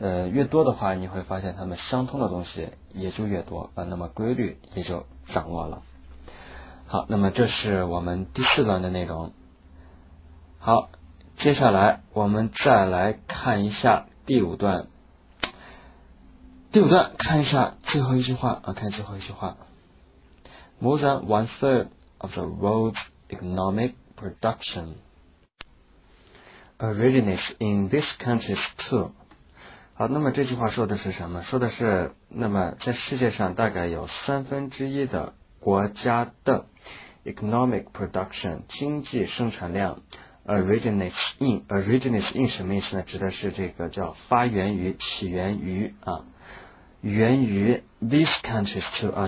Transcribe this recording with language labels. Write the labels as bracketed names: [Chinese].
[Chinese] 越多的话，你会发现他们相通的东西也就越多啊，那么规律也就掌握了。好，那么这是我们第四段的内容。好，接下来我们再来看一下第五段。第五段看一下最后一句话啊，看最后一句话。 [English] More than one third of the world's economic production originates in this country too. [Chinese] 好，那么这句话说的是什么？说的是，那么在世界上大概有三分之一的国家的 [English] economic production [Chinese] 经济生产量 [English] originates in [Chinese] 什么意思呢？指的是这个叫发源于、起源于啊，源于 [English] these countries too [Chinese] 啊。